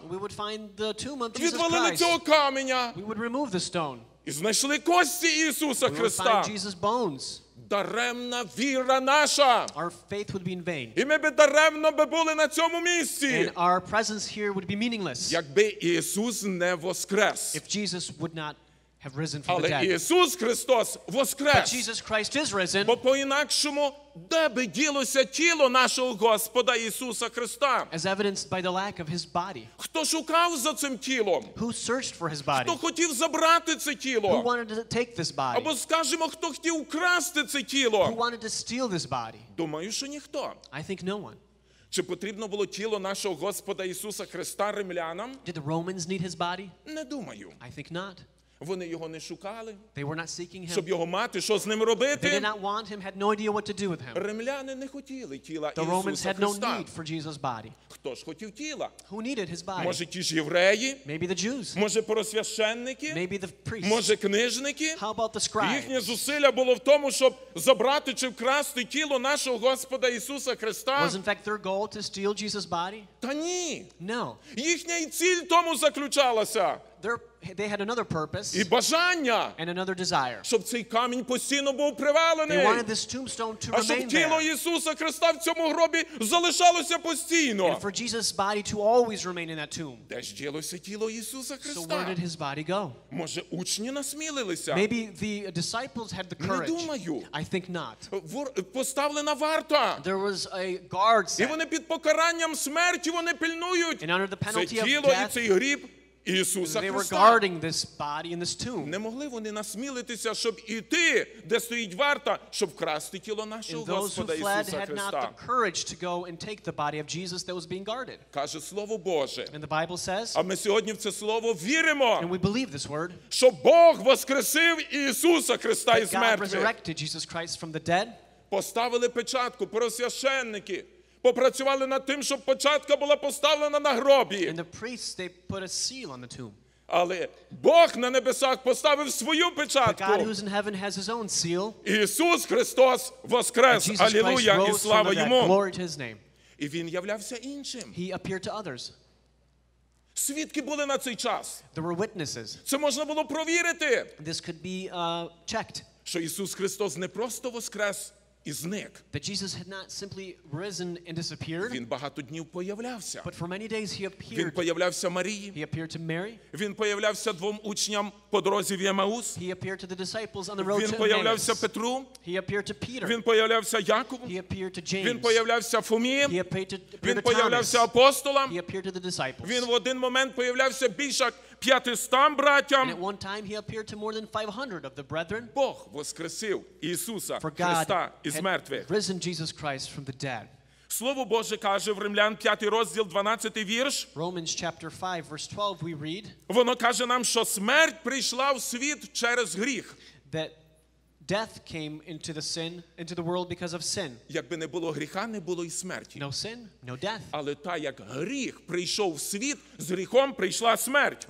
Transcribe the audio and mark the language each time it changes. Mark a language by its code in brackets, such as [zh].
[en] We would find the tomb of Jesus [uk] відвалили [en] Christ. [uk] Цього каменя. [en] We would remove the stone. [uk] І знайшли кості Ісуса [en] we [uk] Христа. [en] Would find Jesus bones. [uk] Даремна віра наша. [en] Our faith would be in vain. [uk] І ми б даремно би були на цьому місці. [en] And our presence here would be meaningless. [uk] Якби Ісус не воскрес. [en] If Jesus would not have risen from the dead. [uk] Але Ісус Христос воскрес. [en] But Jesus Christ is risen. [uk] Бо по-інакшому, де би ділося тіло нашого Господа Ісуса Христа? [en] As evidenced by the lack of his body. [uk] Хто шукав за цим тілом? [en] Who searched for his body? [uk] Хто хотів забрати це тіло? [en] Who wanted to take this body? [uk] Або скажімо, хто хотів украсти це тіло? [en] Who wanted to steal this body? [uk] Думаю, що ніхто. [en] I think no one. [uk] Чи потрібно було тіло нашого Господа Ісуса Христа римлянам? [en] Did the Romans need his body? [uk] Не думаю. [en] I think not. [uk] Вони його не шукали. [en] They were not seeking him. [uk] Щоб його мати, що з ним робити? [en] They did not want him, had no idea what to do with him. [uk] Римляни не хотіли тіла Ісуса [en] Христа. The Romans had [uk] Христа. [en] No need for Jesus' body. [uk] Хто ж хотів тіла? [en] Who needed his body? [uk] Може, ті ж євреї? [en] Maybe the Jews. [uk] Може, просвященники? [en] Maybe the priests. [uk] Може, книжники? [en] How about the scribes? [uk] Їхні зусилля було в тому, щоб забрати чи вкрасти тіло нашого Господа Ісуса Христа? [en] Was in fact their goal to steal Jesus' body? [uk] Та ні. [en] No. [uk] Їхня і ціль тому заключалася. [en] They had another purpose [uk] і бажання, [en] and another desire. [uk] Щоб цей камінь постійно був привалений. [en] They wanted this tombstone to remain there. [uk] А щоб тіло Ісуса Христа в цьому гробі залишалося постійно. [en] And for Jesus' body to always remain in that tomb. [uk] Де ж ділося тіло Ісуса Христа? [en] So where did his body go? [uk] Може, учні насмілилися? [en] Maybe the disciples had the courage. [uk] Не думаю. [en] I think not. [uk] Поставлена варта. [en] There was a guard set. [uk] І вони під покаранням смерті вони пильнують. [en] And under the penalty of death. [uk] Це тіло і цей гріб. Ісуса [en] they were guarding this body in this tomb. [uk] Не могли вони насмілитися, щоб іти, де стоїть варта, щоб вкрасти тіло нашого Господа Ісуса Христа. [en] And those who fled had not the courage to go and take the body of Jesus that was being guarded. [uk] Каже Слово Боже. [en] And the Bible says. [uk] А ми сьогодні в це слово віримо. [en] And we believe this word. [uk] Що Бог воскресив Ісуса Христа із мертвих. [en] God resurrected Jesus Christ from the dead. [uk] Поставили печатку, просвященники. Попрацювали над тим, щоб початка була поставлена на гробі. [en] And the priests, they put a seal on the tomb. [uk] Але Бог на небесах поставив свою печатку. [en] But God, who's in heaven, has his own seal. [uk] Ісус Христос воскрес. Алілуя і слава йому. [en] Glory to his name. [uk] І він являвся іншим. [en] He appeared to others. [uk] Свідки були на цей час. [en] There were witnesses. [uk] Це можна було провірити. [en] This could be checked. [uk] Що Ісус Христос не просто воскрес і зник. [en] That Jesus had not simply risen and disappeared. [uk] Він багато днів появлявся. [en] But for many days he appeared. [uk] Він появлявся Марії. [en] He appeared to Mary. [uk] Він появлявся двом учням по дорозі в Емаус. [en] He appeared to the disciples on the road to [uk] Емаус. Він появлявся Петру. [en] He appeared to Peter. [uk] Він появлявся Якову. [en] He appeared to James. [uk] Він появлявся Фомі. [en] He appeared to Thomas. [uk] Він появлявся апостолам. [en] He appeared to the disciples. [uk] Він в один момент появлявся більше 500 братям. [en] And at one time he appeared to more than 500 of the brethren. [uk] Бог воскресив Ісуса Христа із мертвих. [en] For God had risen Jesus Christ from the dead. [uk] Слово Боже каже в Римлян 5 розділ 12 вірш. [en] Romans chapter 5 verse 12 we read. [uk] Воно каже нам, що смерть прийшла в світ через гріх. [en] That death came into the sin, into the world because of sin. [uk] Якби не було гріха, не було і смерті. [en] No sin, no death. [uk] Але та, як гріх прийшов в світ, з гріхом прийшла смерть.